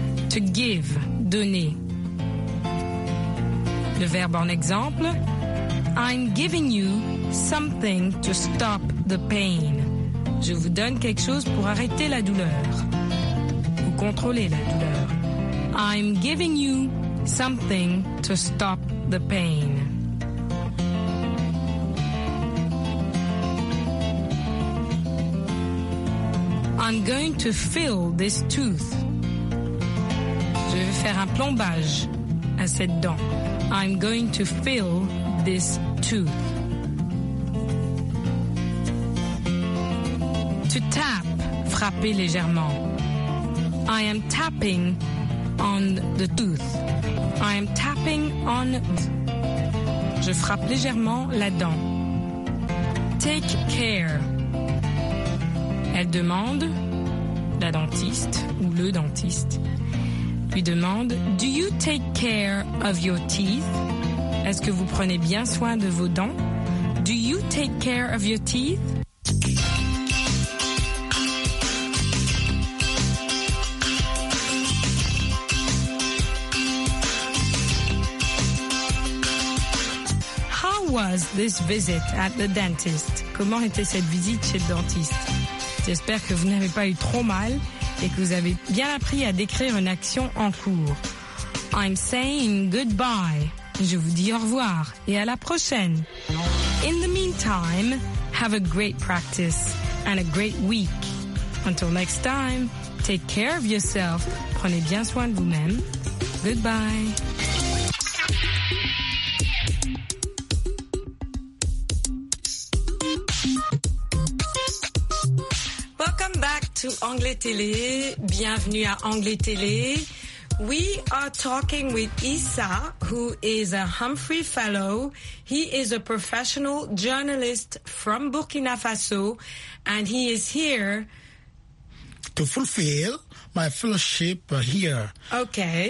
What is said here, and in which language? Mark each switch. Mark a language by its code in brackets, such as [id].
[en] To give, [fr] donner. Le verbe en exemple, [en] I'm giving you something to stop the pain. [fr] Je vous donne quelque chose pour arrêter la douleur ou contrôler la douleur. [en] I'm giving you something to stop the pain. I'm going to fill this tooth. [fr] Je vais faire un plombage à cette dent. [en] I'm going to fill this tooth. To tap, [fr] frapper légèrement. [en] I am tapping on the tooth. I am tapping on. [fr] Je frappe légèrement la dent. [en] Take care. [fr] Elle demande. La dentiste ou le dentiste lui demande « [en] Do you take care of your teeth ?» [fr] Est-ce que vous prenez bien soin de vos dents ?« [en] Do you take care of your teeth ?» How was this visit at the dentist ? [fr] Comment était cette visite chez le dentiste ? J'espère que vous n'avez pas eu trop mal et que vous avez bien appris à décrire une action en cours. [en] I'm saying goodbye. [fr] Je vous dis au revoir et à la prochaine. [en] In the meantime, have a great practice and a great week. Until next time, take care of yourself. [fr] Prenez bien soin de vous-même. [en] Goodbye. To Anglais Télé. [fr] Bienvenue à Anglais Télé. [en] We are talking with Issa, who is a Humphrey Fellow. He is a professional journalist from Burkina Faso, and he is here to fulfill my fellowship here. Okay.